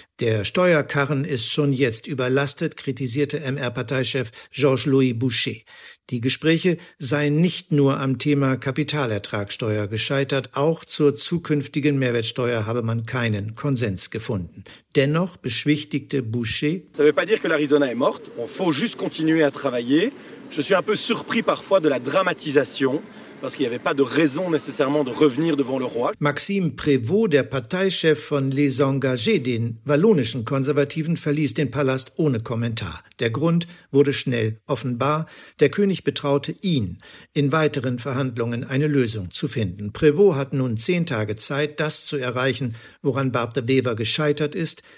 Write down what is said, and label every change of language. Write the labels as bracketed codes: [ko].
[de] Der Steuerkarren ist schon jetzt überlastet, kritisierte MR-Parteichef Georges-Louis Boucher. Die Gespräche seien nicht nur am Thema Kapitalertragsteuer gescheitert, auch zur zukünftigen Mehrwertsteuer habe man keinen Konsens gefunden. Dennoch beschwichtigte Boucher: [fr] Ça veut pas dire que l'Arizona est morte, on faut juste continuer à travailler. Je suis un peu surpris parfois de la dramatisation. Parce qu'il n'y avait pas de raison nécessairement de revenir devant le roi. [de] Maxime Prévot, der Parteichef von Les Engagés, den wallonischen Konservativen, verließ den Palast ohne Kommentar. Der Grund wurde schnell offenbar. Der König betraute ihn, in weiteren Verhandlungen eine Lösung zu finden. Prévot hat nun 10 Tage Zeit, das zu erreichen, woran Bart De Wever gescheitert ist.